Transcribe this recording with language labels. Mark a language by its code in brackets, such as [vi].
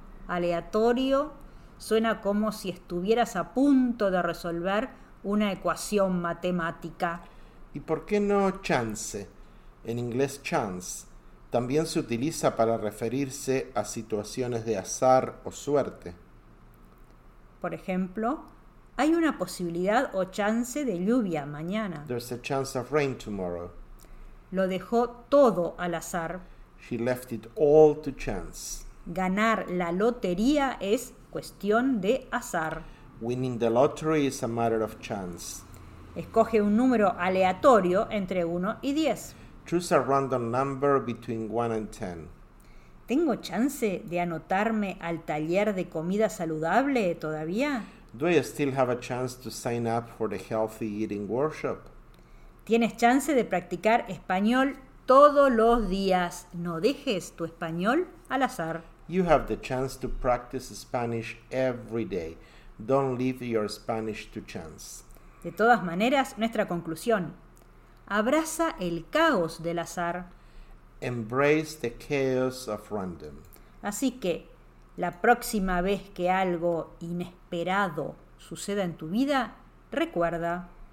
[es] Aleatorio suena como si estuvieras a punto de resolver una ecuación matemática. ¿Y por qué no chance? En inglés chance también se utiliza para referirse a situaciones de azar o suerte. Por ejemplo, hay una posibilidad o chance de lluvia mañana. [en] There's a chance of rain tomorrow. [es] Lo dejó todo al azar. [en] She left it all to chance. [es] Ganar la lotería es cuestión de azar. [en] Winning the lottery is a matter of chance. [es] Escoge un número aleatorio entre 1 y 10. [en] Choose a random number between 1 and 10. [es] ¿Tengo chance de anotarme al taller de comida saludable todavía? [en] Do I still have a chance to sign up for the healthy eating workshop? [es] Tienes chance de practicar español todos los días. No dejes tu español al azar. [en] You have the chance to practice Spanish every day. Don't leave your Spanish to chance. [es] De todas maneras, nuestra conclusión: abraza el caos del azar. [en] Embrace the chaos of random. [es] Así que, la próxima vez que algo inesperado suceda en tu vida, recuerda,